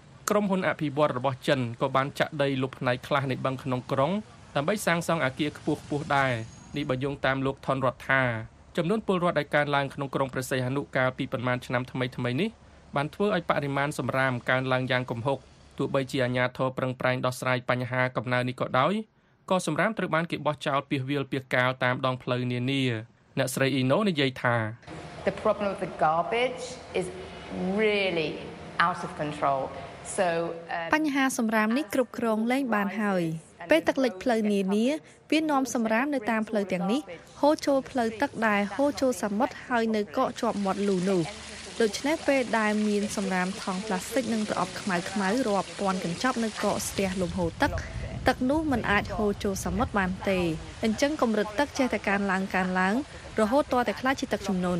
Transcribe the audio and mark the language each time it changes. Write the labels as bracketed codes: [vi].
[km] ក្រុមហ៊ុនអភិវឌ្ឍរបស់ចិនក៏បានចាក់ដីលុបផ្នែកខ្លះនៃបឹងក្នុងក្រុងដើម្បីសាងសង់អគារខ្ពស់ខ្ពស់ដែរនេះបញ្ជាក់តាមលោកថនរដ្ឋាចំនួនពលរដ្ឋដែលកើនឡើងក្នុងក្រុងព្រះសីហនុកាលពីប្រមាណឆ្នាំថ្មីៗនេះបានធ្វើឲ្យបរិមាណសំរាមកើនឡើងយ៉ាងគំហុកទោះបីជាអាជ្ញាធរប្រឹងប្រែងដោះស្រាយបញ្ហាកំណើននេះក៏ដោយក៏សំរាមត្រូវបានគេបោះចោលពាសវាលពាសកាលតាមដងផ្លូវនានាអ្នកស្រីអ៊ីណូនិយាយថា [en] The problem of the garbage is really out of control. So [km] បញ្ហាសំរាមនេះគ្រប់គ្រងលែងបានហើយពេលទឹកលិចផ្លូវនានាវានាំសំរាមនៅតាមផ្លូវទាំងនេះហូរចូលផ្លូវទឹកដែរហូរចូលសមុទ្រហើយនៅកកជាប់មាត់លូនោះដូច្នេះពេលដែលមានសំរាមថង់ផ្លាស្ទិកនិងប្រអប់ខ្មៅរាប់ពាន់កញ្ចប់នៅកកស្ទះលំហូរទឹកនោះមិនអាចហូរចូលសមុទ្របានទេអញ្ចឹងកម្រិតទឹកចេះតែកើនឡើងរហូតទាល់តែខ្លាចជាទឹកជំនន